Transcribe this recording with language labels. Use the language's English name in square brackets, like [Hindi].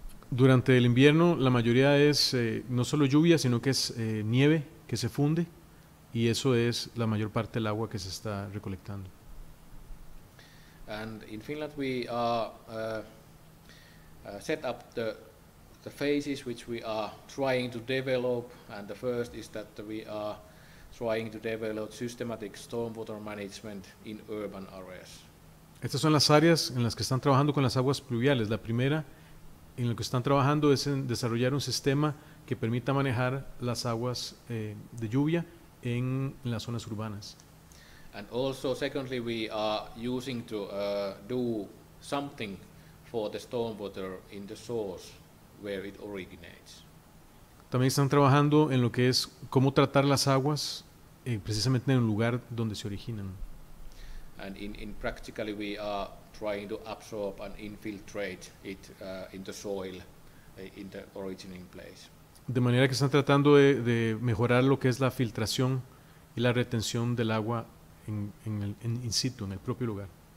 [Spanish] Durante el invierno la mayoría es no solo lluvia sino que es nieve que se funde y eso es la mayor parte del agua que se está recolectando. [English] And in Finland we are set up the phases which we are trying to develop, and the first is that we are trying to develop systematic stormwater management in urban areas. [Spanish] Estas son las áreas en las que están trabajando con las aguas pluviales. La primera en lo que están trabajando es en desarrollar un sistema que permita manejar las aguas de lluvia en las zonas urbanas. [English] And also, secondly, we are using to do something for the stormwater in the source where it originates. [Spanish] También están trabajando en lo que es cómo tratar las aguas precisamente en el lugar donde se originan. [English] And in practically, we are trying to absorb and infiltrate it in the soil in the originating place. [Spanish] De manera que están tratando de mejorar lo que es la filtración y la retención del agua in situ, en el propio lugar.